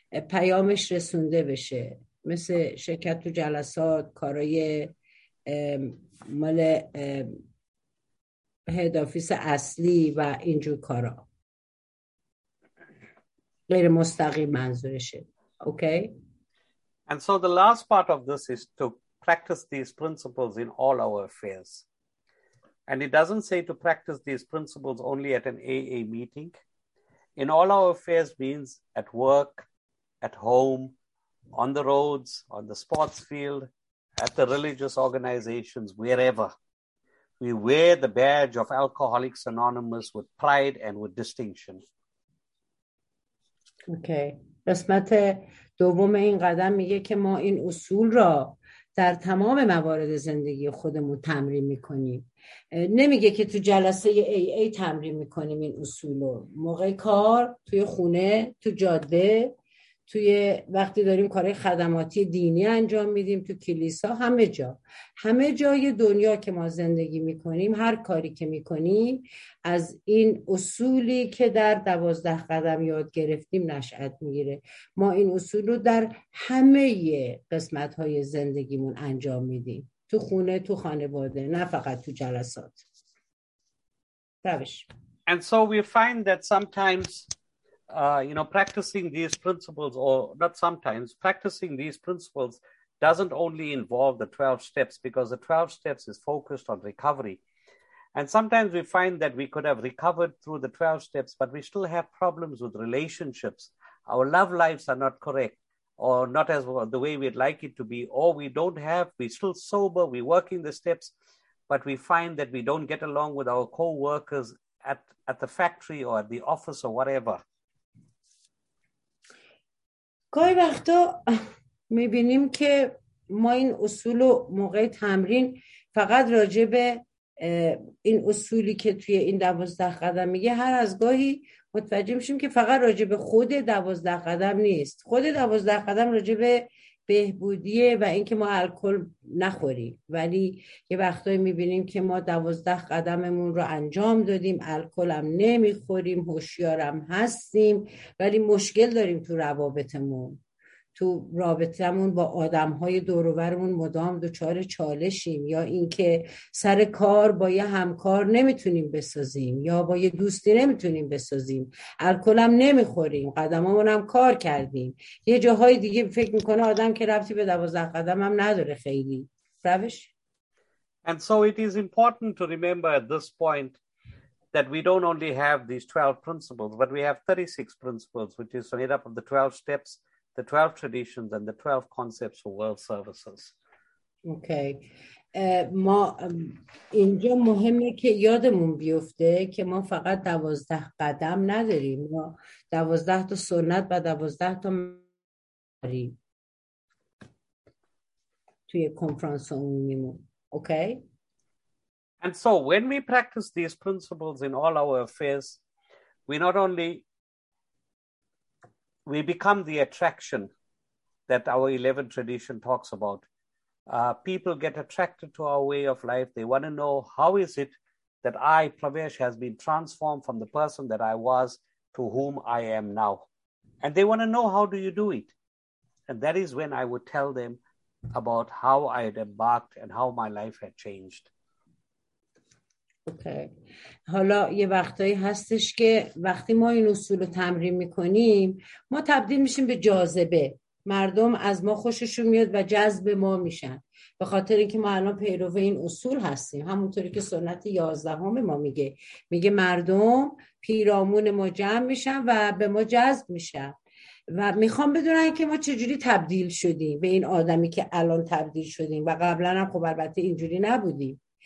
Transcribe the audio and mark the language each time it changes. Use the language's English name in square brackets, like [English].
[Persian] پیامش رسونده بشه، مثل شرکت تو جلسات، کارای مال هد آفیس اصلی و اینجور کارا، غیر مستقیم منظورشه. اوکی. [English] And so the last part of this is to practice these principles in all our affairs. And it doesn't say to practice these principles only at an AA meeting. In all our affairs means at work, at home, on the roads, on the sports field, at the religious organizations, wherever. We wear the badge of Alcoholics Anonymous with pride and with distinction. Okay. [Persian] قسمت دوم این قدم میگه که ما این اصول را در تمام موارد زندگی خودمون تمرین میکنیم. نمیگه که تو جلسه AA تمرین میکنیم این اصول رو. موقع کار، توی خونه، تو جاده، توی وقتی داریم کارهای خدماتی دینی انجام میدیم، تو کلیسا، همه جا. همه جای دنیا که ما زندگی میکنیم، هر کاری که میکنیم، از این اصولی که در 12 قدم یاد گرفتیم نشأت میگیره. ما این اصول رو در همه قسمت‌های زندگیمون انجام میدیم. تو خونه، تو خانواده، نه فقط تو جلسات. روش. [English] And so we find that sometimes practicing these principles, or not sometimes, practicing these principles doesn't only involve the 12 steps, because the 12 steps is focused on recovery. And sometimes we find that we could have recovered through the 12 steps, but we still have problems with relationships. Our love lives are not correct, or not as well, the way we'd like it to be, or we're still sober, we're working the steps, but we find that we don't get along with our co-workers at the factory or at the office or whatever. [Persian] گاهی وقتا میبینیم که ما این اصول و موقع تمرین فقط راجع به این اصولی که توی این 12 قدم میگه، هر از گاهی متوجه میشیم که فقط راجع به خود 12 قدم نیست. خود 12 قدم راجع به بهبودیه و اینکه ما الکل نخوریم، ولی یه وقتایی میبینیم که ما 12 قدممون رو انجام دادیم، الکل هم نمیخوریم، هوشیارم هستیم، ولی مشکل داریم تو روابطمون، تو رابطمون با آدمهای دوروبرمون مدام دوچار چالشیم، یا اینکه سر کار با یه همکار نمیتونیم بسازیم، یا با یه دوستی نمیتونیم بسازیم، الکل هم نمیخوریم، قدممون هم کار کردیم. یه جاهای دیگه فکر میکنه آدم که ربطی به 12 قدم هم نداره خیلی. روش. [English] And so it is important to remember at this point that we don't only have these 12 principles, but we have 36 principles, which is made up of the 12 steps, the 12 traditions and the 12 concepts for world services. Okay. [Persian] ما اینجا مهمه که یادمون بیفته که ما فقط 12 قدم نداریم، ما 12 تا سنت و 12 تا داریم توی کنفرانس عمومیمون. [English] Okay. And so when we practice these principles in all our affairs, we become the attraction that our 11 tradition talks about. People get attracted to our way of life. They want to know, how is it that I, Pravesh, has been transformed from the person that I was to whom I am now? And they want to know, how do you do it? And that is when I would tell them about how I had embarked and how my life had changed. [Persian] اوکی. حالا یه وقتایی هستش که وقتی ما این اصول رو تمرین میکنیم، ما تبدیل میشیم به جاذبه. مردم از ما خوششون میاد و جذب ما میشن، به خاطر اینکه ما الان پیرو این اصول هستیم. همونطوری که سنت 11 ما میگه مردم پیرامون ما جمع میشن و به ما جذب میشن و میخوام بدونن که ما چجوری تبدیل شدیم به این آدمی که الان تبدیل شدیم، و قبلا هم خب البته اینجوری نبودیم.